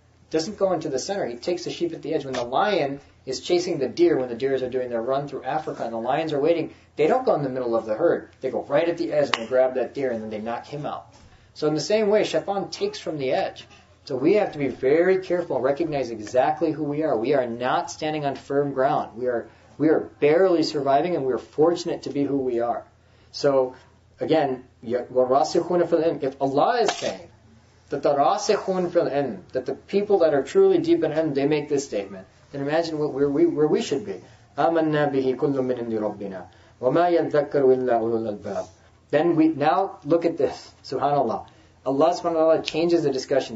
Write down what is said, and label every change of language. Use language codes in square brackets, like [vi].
[en] Doesn't go into the center. He takes the sheep at the edge. When the lion is chasing the deer, when the deers are doing their run through Africa and the lions are waiting, they don't go in the middle of the herd. They go right at the edge and they grab that deer and then they knock him out. So in the same way, Shaitan takes from the edge. So we have to be very careful and recognize exactly who we are. We are not standing on firm ground. We are barely surviving and we are fortunate to be who we are. So again, [ar] وَرَاسِخُونَ فِي الْعِلْمِ. [en] If Allah is saying that the [ar] rasikhun fil ilm, [en] that the people that are truly deep in ilm, they make this statement, then imagine where we should be. [ar] آمَنَّا بِهِ كُلُّ مِنْ عِنْدِ رَبِّنَا وَمَا يَذَّكَّرُ إِلَّا أُولُو الْأَلْبَابِ. [en] Then we, now look at this, subhanAllah. Allah subhanahu wa ta'ala changes the discussion.